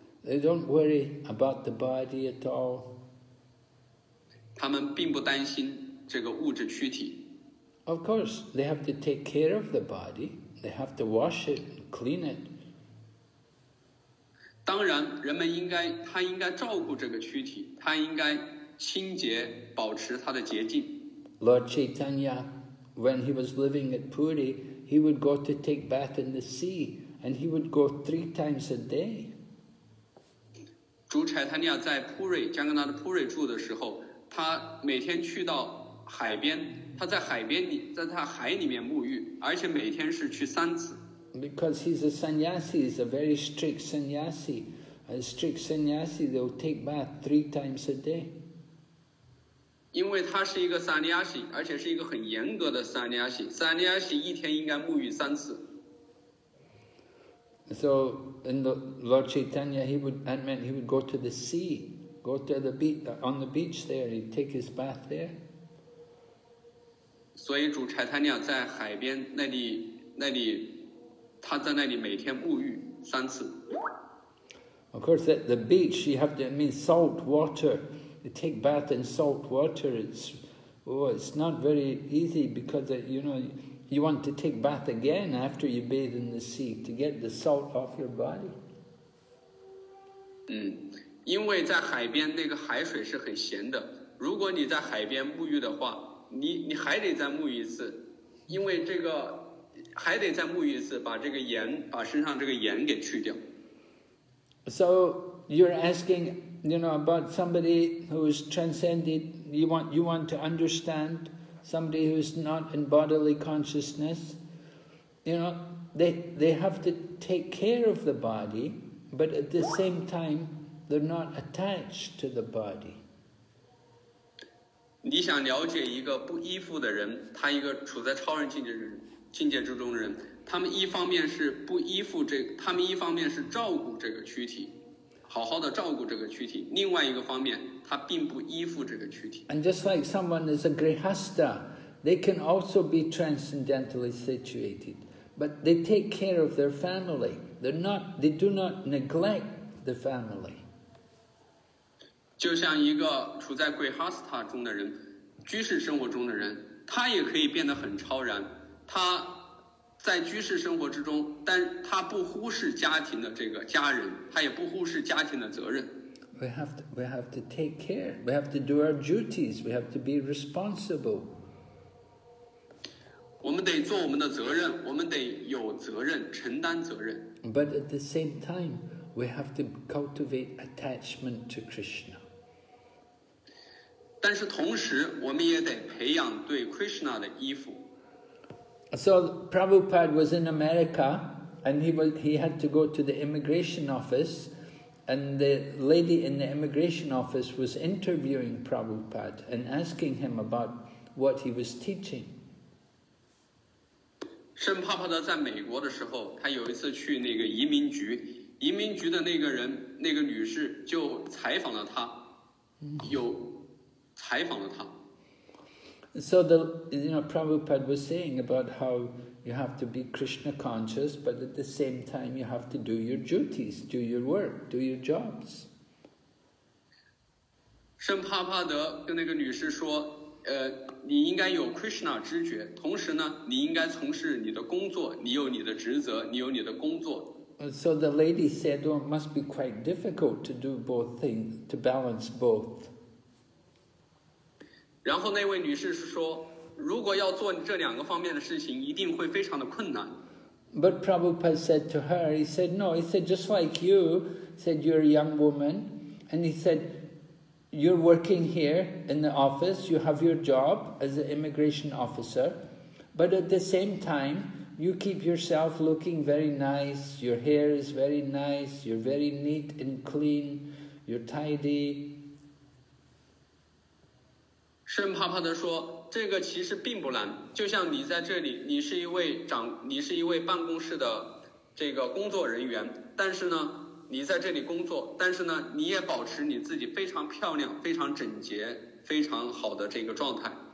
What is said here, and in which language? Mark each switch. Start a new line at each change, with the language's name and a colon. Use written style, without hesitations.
English: They don't worry about the body at all.
Chinese: 他们并不担心这个物质躯体。
English: Of course, they have to take care of the body. They have to wash it, clean it.
Chinese: 当然，人们应该照顾这个躯体，他应该。清洁，保持他的洁净。
English: Lord Chaitanya, when he was living at Puri, he would go to take bath in the sea, and he would go three times a day.
Chinese: 主 Chaitanya 在 Puri, 加格纳的 Puri 住的时候，他每天去到海边，他在海边里，在他海里面沐浴，而且每天是去三次。
English: Because he's a sannyasi, he's a very strict sannyasi. A strict sannyasi, they'll take bath three times a day.
Chinese: 因为他是一个萨尼亚西，而且是一个很严格的萨尼亚西。萨尼亚西一天应该沐浴三次。
English: So in the Lord Chaitanya, he would, that meant he would go to the sea, go to the beach, on the beach there, he'd take his bath there.
Chinese: 所以主 Chaitanya 在海边那里他在那里每天沐浴三次。
English: Of course, at the beach, you have to, I mean, salt water. You take bath in salt water. It's not very easy because, you know, you want to take bath again after you bathe in the sea to get the salt off your body.
Chinese: 因为在海边那个海水是很咸的。如果你在海边沐浴的话，你还得再沐浴一次，因为这个还得再沐浴一次，把这个盐，把身上这个盐给去掉。
English: So you're asking, you know, about somebody who is transcended. You want to understand somebody who is not in bodily consciousness. You know, they have to take care of the body, but at the same time, they're not attached to the body.
Chinese: 你想了解一个不依附的人，他一个处在超人境界人境界之中的人。他们一方面是不依附这个，他们一方面是照顾这个躯体，好好的照顾这个躯体。另外一个方面，他并不依附这个躯体。
English: And just like someone is a grihastha, they can also be transcendentally situated, but they take care of their family. They do not neglect the family.
Chinese: 就像一个处在 grihastha 中的人，居士生活中的人，他也可以变得很超然，他。在居士生活之中，但他不忽视家庭的这个家人，他也不忽视家庭的责任。
English: We have to take care. We have to do our duties. We have to be responsible.
Chinese: 我们得做我们的责任，我们得有责任，承担责任。
English: But at the same time, we have to cultivate attachment to Krishna.
Chinese: 但是同时，我们也得培养对 Krishna 的依附。
English: So Prabhupada was in America, and he had to go to the immigration office, and the lady in the immigration office was interviewing Prabhupada and asking him about what he was teaching.
Chinese: 圣帕帕德在美国的时候，他有一次去那个移民局，移民局的那个人，那个女士就采访了他，有采访了他。
English: So the, you know, Prabhupada was saying about how you have to be Krishna conscious, but at the same time you have to do your duties, do your work, do your jobs.
Chinese: 圣帕帕德跟那个女士说，你应该有 Krishna 知觉，同时呢，你应该从事你的工作，你有你的职责，你有你的工作。
English: So the lady said, oh, it must be quite difficult to do both things, to balance both.
Chinese: 然后那位女士说，如果要做这两个方面的事情，一定会非常的困难。
English: But Prabhupada said to her, he said, no, he said, just like you, said you're a young woman, and he said, you're working here in the office, you have your job as an immigration officer, but at the same time, you keep yourself looking very nice, your hair is very nice, you're very neat and clean, you're tidy.
Chinese: 圣帕帕德说，这个其实并不难，就像你在这里，你是一位办公室的这个工作人员，但是呢，你在这里工作，但是呢，你也保持你自己非常漂亮，非常整洁，非常好的这个状态。